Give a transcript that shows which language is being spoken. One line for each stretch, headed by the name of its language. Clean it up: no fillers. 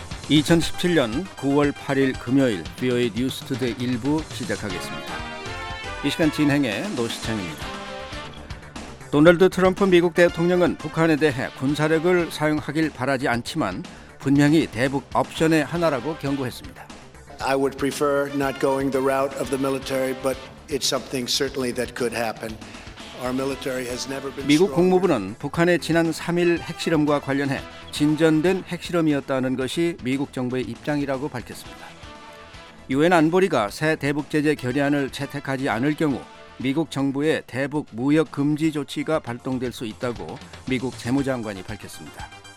Korean: 2017년 9월 8일 금요일 BOA 뉴스 투데이 1부 시작하겠습니다. 이 시간 진행의 노시창입니다. 도널드 트럼프 미국 대통령은 북한에 대해 군사력을 사용하길 바라지 않지만 분명히 대북 옵션의 하나라고 경고했습니다.
English: I would prefer not going the route of the military, but it's something certainly that could happen. Our military has never been
Korean: 미국 국무부는 북한의 지난 3일 핵실험과 관련해 진전된 핵실험이었다는 것이 미국 정부의 입장이라고 밝혔습니다. 유엔 안보리가 새 대북 제재 결의안을 채택하지 않을 경우 미국 정부의 대북 무역 금지 조치가 발동될 수 있다고 미국 재무장관이 밝혔습니다.